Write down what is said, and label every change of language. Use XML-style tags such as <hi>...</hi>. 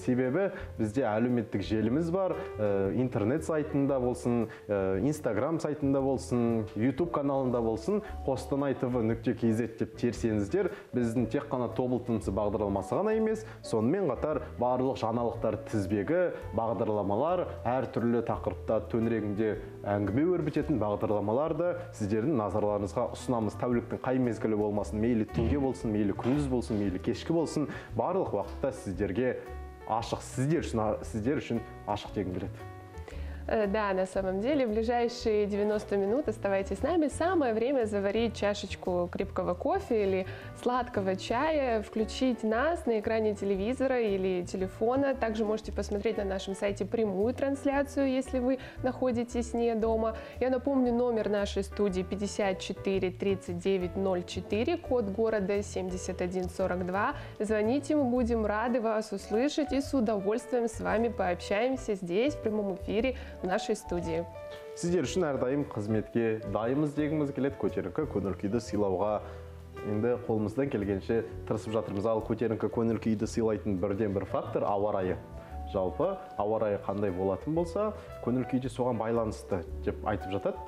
<kk>Себебі бізде әлеуметтік желіміз бар, интернет сайтында болсын, инстаграм сайтында болсын, ютуб каналында болсын, qostanaytv.kz деп терсеңіздер, біздің тек қана тобыл тынысы бағдарламасы ғана емес, сонымен қатар барлық жаңалықтар тізбегі, бағдарламалар әртүрлі тақырыпта төңірегінде әңгіме өрбітетін бағдарламаларды сіздердің назарларыңызға ұсынамыз. Тәуліктің қай мезгілі болмасын, мейлі түнге болсын, мейлі күндіз болсын, мейлі кешкі болсын, барлық уақытта сіздерге ашық, сіздер үшін ашық дегім келеді.</kk> <ru>Да, на самом деле, в ближайшие 90 минут оставайтесь с нами. Самое время заварить чашечку крепкого кофе или сладкого чая, включить нас на экране телевизора или телефона. Также можете посмотреть на нашем сайте прямую трансляцию, если вы находитесь не дома. Я напомню, номер нашей студии 54-39-04, код города 71-42. Звоните, мы будем рады вас услышать и с удовольствием с вами пообщаемся здесь, в прямом эфире нашей студии.</ru> <kk>Сіздер үшін әрдайым қызметке дайымыз дегіміз келеді. Көтеріңкі көңіл-күйді сыйлауға енді қолымыздан келгенше тырысып жатырмыз. Ал көтеріңкі көңіл-күйді сыйлайтын бірден бір фактор ауа райы. Жалпы ауа райы қандай болатын болса, көңіл-күйде соған байланысты деп айтып жатады.</kk>